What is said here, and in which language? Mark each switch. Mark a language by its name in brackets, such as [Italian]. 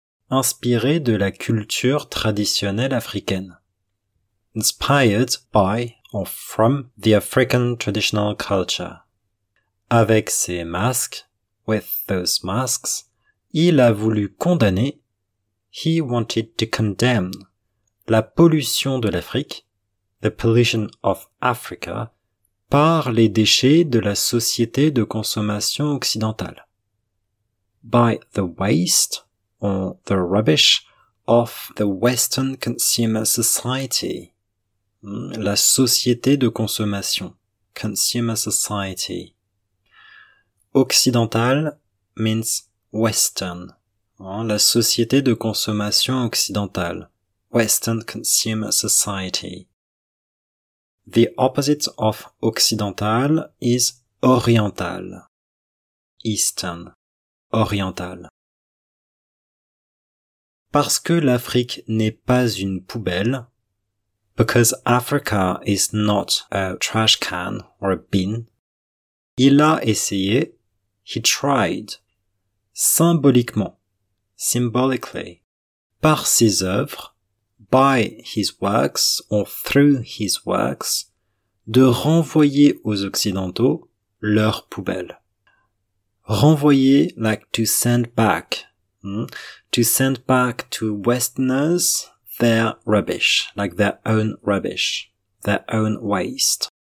[French] Inspiré de la culture traditionnelle africaine. [English] Inspired by or from the African traditional culture. [French] Avec ses masques, [English] with those masks, [French] il a voulu condamner, [English] he wanted to condemn, [French] la pollution de l'Afrique, [English] the pollution of Africa, [French] par les déchets de la société de consommation occidentale. [English] By the waste or the rubbish of the Western consumer society. [French] La société de consommation. [English] Consumer society. Occidental means Western. [French] La société de consommation occidentale. [English] Western consumer society. The opposite of occidental is oriental. Eastern. Oriental. [French] Parce que l'Afrique n'est pas une poubelle. [English] Because Africa is not a trash can or a bin. [French] Il a essayé. [English] He tried. [French] Symboliquement. [English] Symbolically. [French] Par ses œuvres. [English] By his works or through his works. [French] De renvoyer aux Occidentaux leur poubelle. [English] Renvoyer, like to send back. To send back to Westerners their rubbish, like their own rubbish, their own waste.